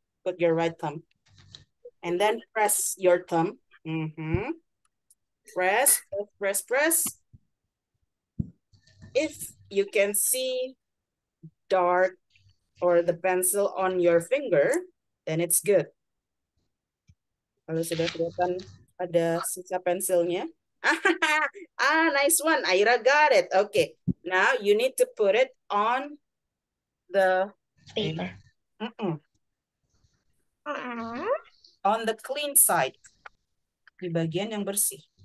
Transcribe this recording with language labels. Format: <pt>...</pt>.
<en>Put your right thumb. And then press your thumb. Mm-hmm. Press, press, press. If you can see dark or the pencil on your finger, then it's good.</en> <id>Kalau sudah kelihatan ada sisa pensilnya.</id> <en>Ah, nice one. Aira got it. Okay. Now you need to put it on the paper. Mm-mm. On the clean side.</en> <id>Di bagian yang bersih.</id>